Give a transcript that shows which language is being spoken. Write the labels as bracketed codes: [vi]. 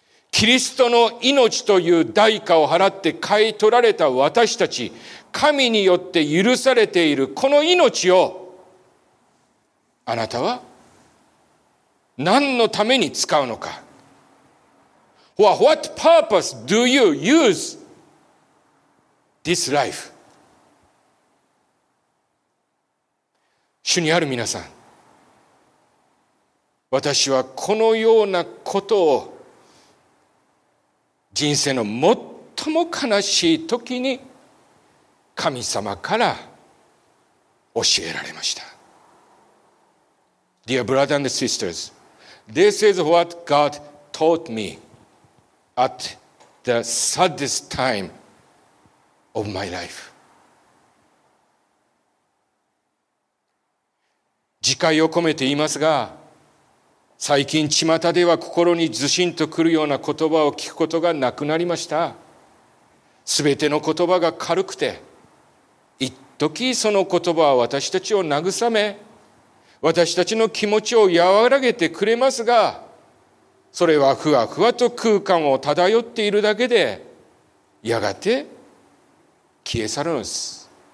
[ja] キリストの命という代価を払って買い取られた私たち、神によって許されているこの命をあなたは何のために使うのか。 [en] What purpose do you use this life? [ja] 主にある皆さん、私はこのようなことを人生の最も悲しい時に神様から教えられました。 [en] Dear brothers and sisters, this is what God taught me at the saddest time of my life. [ja] 自戒を込めて言いますが、最近巷では心にずしんとくるような言葉を聞くことがなくなりました。すべての言葉が軽くて、一時その言葉は私たちを慰め、私たちの気持ちを和らげてくれますが、それはふわふわと空間を漂っているだけで、やがて消え去るのです。